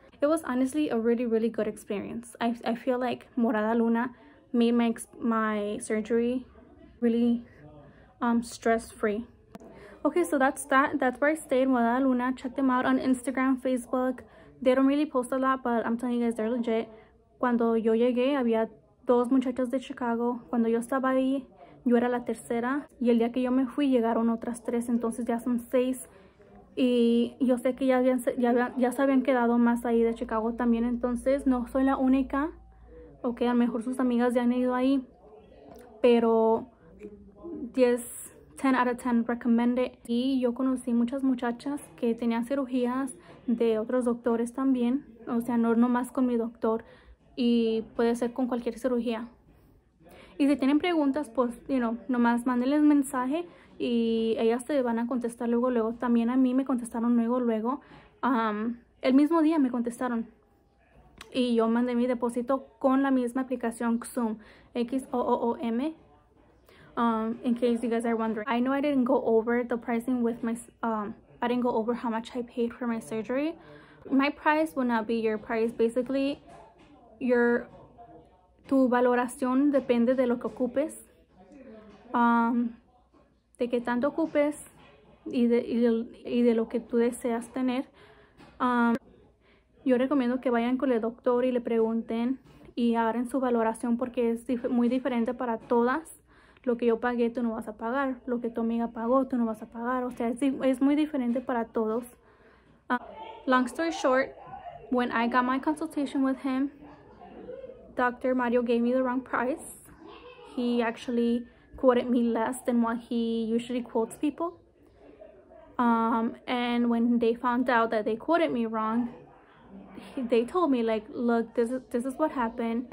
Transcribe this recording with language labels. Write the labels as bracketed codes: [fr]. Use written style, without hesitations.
[en] It was honestly a really, really good experience. I feel like Morada Luna made my surgery really stress-free. Okay, so that's that. That's where I stayed, Morada Luna. Check them out on Instagram, Facebook. They don't really post a lot, but I'm telling you guys, they're legit. [es] Cuando yo llegué, había dos muchachos de Chicago. Cuando yo estaba ahí, yo era la tercera, y el día que yo me fui llegaron otras tres, entonces ya son seis. Y yo sé que ya se habían quedado más ahí de Chicago también, entonces no soy la única. Ok, a lo mejor sus amigas ya han ido ahí, pero 10 out of 10 recommend it. Y yo conocí muchas muchachas que tenían cirugías de otros doctores también, o sea, no nomás con mi doctor, y puede ser con cualquier cirugía. Y si tienen preguntas, pues, you know, nomás mándenles mensaje y ellas te van a contestar luego, luego. También a mí me contestaron luego, luego. El mismo día me contestaron. Y yo mandé mi depósito con la misma aplicación Xoom. [en] X-O-O-O-M. In case you guys are wondering. I know I didn't go over the pricing with my... I didn't go over how much I paid for my surgery. My price will not be your price. Basically, your... [es] Tu valoración depende de lo que ocupes, de qué tanto ocupes y de lo que tú deseas tener. Yo recomiendo que vayan con el doctor y le pregunten y hagan su valoración, porque es muy diferente para todas. Lo que yo pagué, tú no vas a pagar. Lo que tu amiga pagó, tú no vas a pagar. O sea, es muy diferente para todos. [en] Long story short, when I got my consultation with him, Dr. Mario gave me the wrong price. He actually quoted me less than what he usually quotes people. And when they found out that they quoted me wrong, they told me, like, look, this is what happened.